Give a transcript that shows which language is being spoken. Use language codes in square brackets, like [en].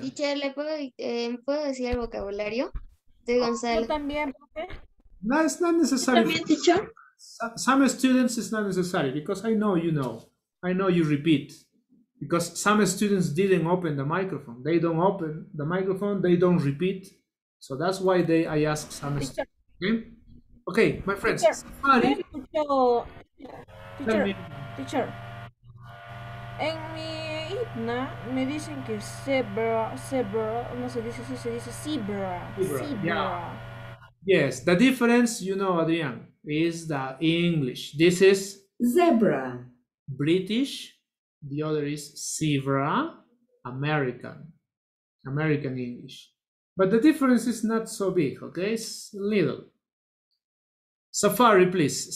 [es] Teacher, ¿le puedo decir el vocabulario de Gonzalo? Yo también. [en] No, it's not necessary. [es] También, teacher. [en] Some students, it's not necessary because I know you know. I know you repeat. Because some students didn't open the microphone. They don't open the microphone. They don't repeat. So that's why they. I ask some teacher. Students. Okay? Okay, my friends. Teacher. Teacher. [es] En mi hipna me dicen que zebra, no se dice así, se dice zebra. [en] Zebra. Yeah. Yes, the difference, you know, Adrián, is the English. This is zebra. British, the other is zebra, American English. But the difference is not so big, okay? It's little. Safari, please.